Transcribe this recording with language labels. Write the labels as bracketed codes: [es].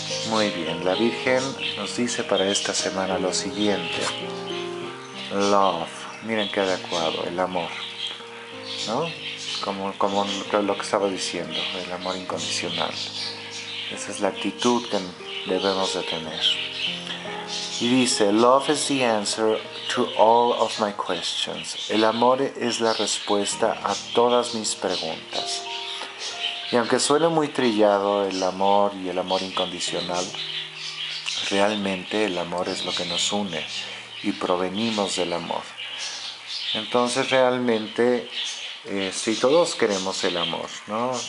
[es] Muy bien, la Virgen nos dice para esta semana lo siguiente. Love, miren qué adecuado, el amor, ¿no? Como lo que estaba diciendo, el amor incondicional. Esa es la actitud que debemos de tener. Y dice, [en] love is the answer to all of my questions. [es] El amor es la respuesta a todas mis preguntas. Y aunque suene muy trillado el amor y el amor incondicional, realmente el amor es lo que nos une y provenimos del amor. Entonces realmente, sí, todos queremos el amor, ¿no?